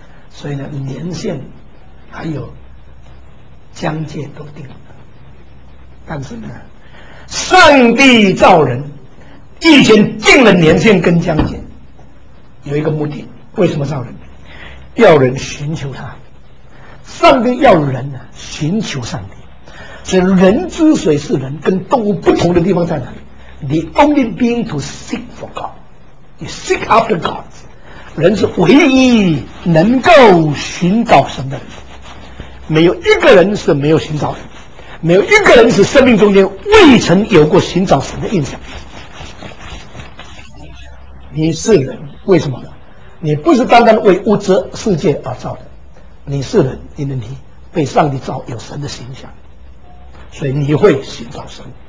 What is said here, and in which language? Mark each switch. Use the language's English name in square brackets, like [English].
[Chinese] 所以呢，年限还有疆界都定了，但是呢，上帝造人已经定了年限跟疆界，有一个目的，为什么造人？要人寻求他，上帝要人呢寻求上帝。所以人之所以是人，跟动物不同的地方在哪里？ [English] The only being to seek for God， you seek after God。 [Chinese] 人是唯一能够寻找神的人，没有一个人是没有寻找神，没有一个人是生命中间未曾有过寻找神的印象。你是人，为什么呢？你不是单单为物质世界而造的，你是人，因为你被上帝造有神的形象，所以你会寻找神。